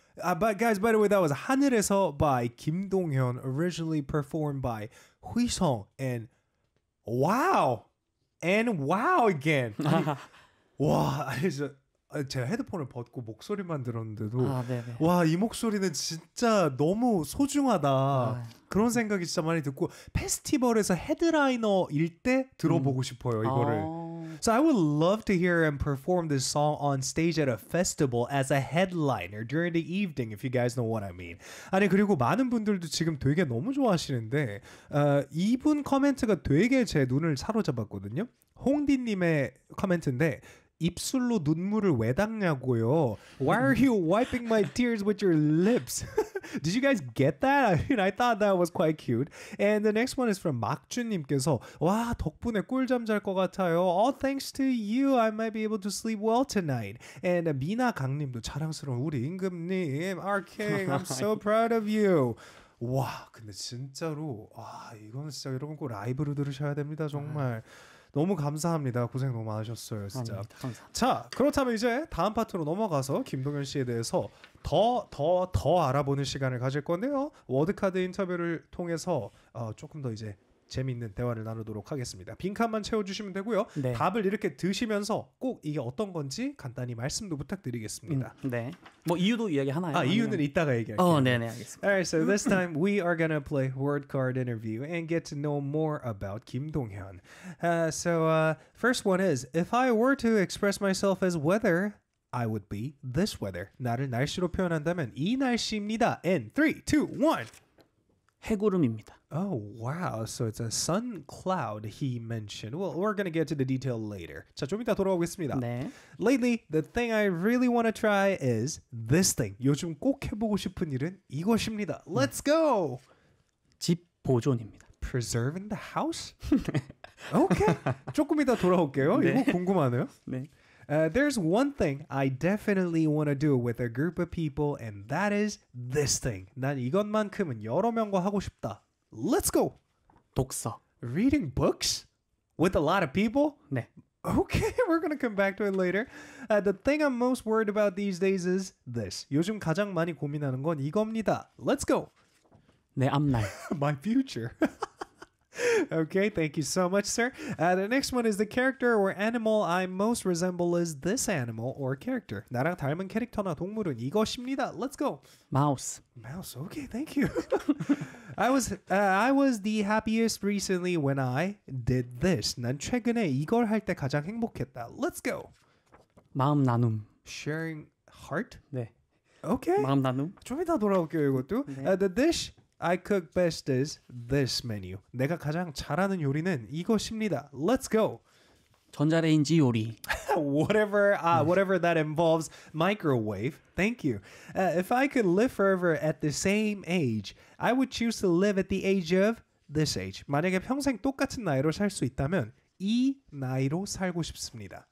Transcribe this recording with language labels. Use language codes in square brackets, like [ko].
[en] But guys, by the way, that was 하늘에서 by Kim Dong Hyun, originally performed by Hui Song, and wow again. [ko] 와, 진짜 제가 헤드폰을 벗고 목소리만 들었는데도 와, 이 목소리는 진짜 너무 소중하다. 그런 생각이 진짜 많이 들고 페스티벌에서 헤드라이너일 때 들어보고 싶어요, 이거를. [en] So I would love to hear him perform this song on stage at a festival as a headliner during the evening, if you guys know what I mean. [ko] 아니, 그리고 많은 분들도 지금 되게 너무 좋아하시는데 이분 코멘트가 되게 제 눈을 사로잡았거든요. 홍디님의 코멘트인데 입술로 눈물을 왜 닦냐고요. [en] Why are you wiping my tears with your lips? Did you guys get that? I mean, I thought that was quite cute. And the next one is from 막준님께서 [ko] 와 덕분에 꿀잠 잘 것 같아요. [en] All thanks to you, I might be able to sleep well tonight. [ko] And 미나 강님도 자랑스러운 우리 임금님. [en] Our king, I'm so proud of you. [ko] 와 근데 진짜로 와 이건 진짜 여러분 꼭 라이브로 들으셔야 됩니다 정말. 너무 감사합니다. 고생 너무 많으셨어요. 진짜. 아닙니다. 감사합니다. 자, 그렇다면 이제 다음 파트로 넘어가서 김동현 씨에 대해서 더 알아보는 시간을 가질 건데요. 워드카드 인터뷰를 통해서 조금 더 이제 재미있는 대화를 나누도록 하겠습니다. 빈칸만 채워주시면 되고요. 네. 답을 이렇게 드시면서 꼭 이게 어떤 건지 간단히 말씀도 부탁드리겠습니다. 네. 뭐 이유도 이야기하나요? 아, 이유는 아니면... 이따가 얘기할게요. 네네, 알겠습니다. [en] All right, so this time we are gonna play word card interview and get to know more about Kim Dong-hyun. First one is, if I were to express myself as weather, I would be this weather. [ko] 나를 날씨로 표현한다면 이 날씨입니다. [en] And 3, 2, 1... [ko] 해구름입니다. [en] Oh, wow. So it's a sun cloud he mentioned. Well, we're going to get to the detail later. [ko] 자, 좀 이따 돌아오겠습니다. 네. [en] Lately, the thing I really want to try is this thing. [ko] 요즘 꼭 해보고 싶은 일은 이것입니다. [en] Let's go! [ko] 집 보존입니다. [en] Preserving the house? Okay. [ko] 조금 이따 돌아올게요. 네. 이거 궁금하네요. 네. [en] There's one thing I definitely want to do with a group of people, and that is this thing. [ko] 난 이것만큼은 여러 명과 하고 싶다. [en] Let's go! [ko] 독서. [en] Reading books? With a lot of people? [ko] 네. [en] Okay, we're gonna come back to it later. The thing I'm most worried about these days is this. [ko] 요즘 가장 많이 고민하는 건 이겁니다. [en] Let's go! [ko] 내 앞날. [en] My future. Okay, thank you so much, sir. The next one is the character or animal I most resemble is this animal or character. [ko] 나랑 닮은 캐릭터나 동물은 이것입니다. [en] Let's go. Mouse. Mouse, okay, thank you. I was the happiest recently when I did this. [ko] 난 최근에 이걸 할 때 가장 행복했다. [en] Let's go. [ko] 마음 나눔. [en] Sharing heart? [ko] 네. [en] Okay. [ko] 마음 나눔. 좀 이따 돌아올게요, 이것도. 네. [en] The dish I cook best is this menu. [ko] 내가 가장 잘하는 요리는 이것입니다. [en] Let's go. [ko] 전자레인지 요리. [en] whatever that involves, microwave. Thank you. If I could live forever at the same age, I would choose to live at the age of this age. [ko] 만약에 평생 똑같은 나이로 살 수 있다면 이 나이로 살고 싶습니다.